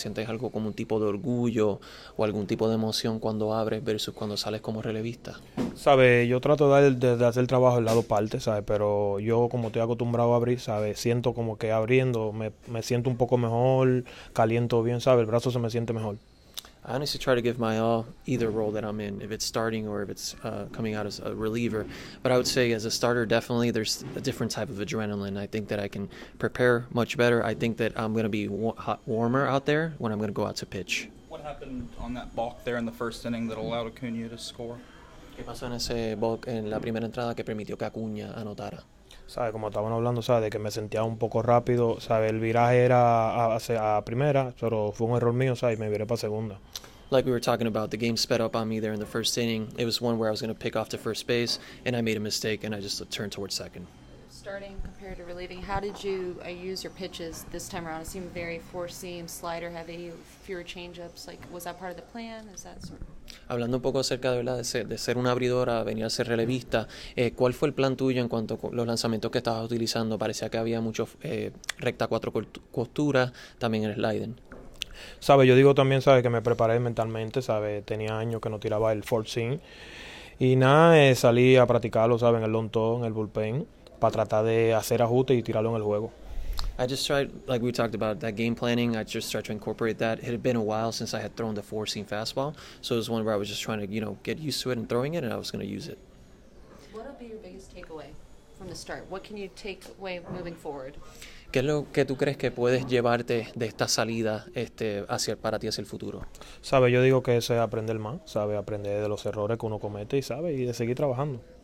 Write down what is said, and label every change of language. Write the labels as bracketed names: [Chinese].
[Spanish] ¿Sientes algo como un tipo de orgullo o algún tipo de emoción cuando abres versus cuando sales como relevista? Sabe, yo trato de hacer el trabajo del lado parte, sabe, pero yo como estoy acostumbrado a abrir, sabe, siento como que abriendo me siento un poco mejor, caliento bien, sabe, el brazo se me siente mejor. [English] I honestly try to give my all either role that I'm in, if it's starting or if it's coming out as a reliever. But I would say as a starter, definitely there's a different type of adrenaline. I think that I can prepare much better. I think that I'm going to be warmer out there when I'm going to go out to pitch. What happened on that balk there in the first inning that allowed Acuña to score? [Spanish] ¿Qué pasó en ese balk en la primera entrada que permitió que Acuña anotara? Sabe, como estaban hablando, sabe, de que me sentía un poco rápido, sabe, el viraje era a primera, pero fue un error mío, sabe, y me viré para segunda. [English] Like we were talking about, the game sped up on me there in the first inning. It was one where I was going to pick off to first base, and I made a mistake, and I just turned towards second. Starting compared to relieving, how did you use your pitches this time around? It seemed very four-seam, slider heavy, fewer change-ups. Like, was that part of the plan? Is that sort of... [Spanish] Hablando un poco acerca de ser una abridora, venir a ser relevista, ¿cuál fue el plan tuyo en cuanto a los lanzamientos que estabas utilizando? Parecía que había mucho recta 4 costura, también el slider. Sabe, yo digo también, sabe, que me preparé mentalmente, sabe, tenía años que no tiraba el fourth swing. Y nada, salí a practicarlo, sabe, en el long toe, en el bullpen, para tratar de hacer ajustes y tirarlo en el juego. [English] I just tried, like we talked about, that game planning. I just tried to incorporate that. It had been a while since I had thrown the four-seam fastball, so it was one where I was just trying to, you know, get used to it and throwing it, and I was going to use it. What will be your biggest takeaway from the start? What can you take away moving forward? [Spanish] ¿Qué es lo que tú crees que puedes llevarte de esta salida hacia, para ti hacia el futuro? Sabe, yo digo que eso es aprender más, sabe, aprender de los errores que uno comete y sabe, y de seguir trabajando.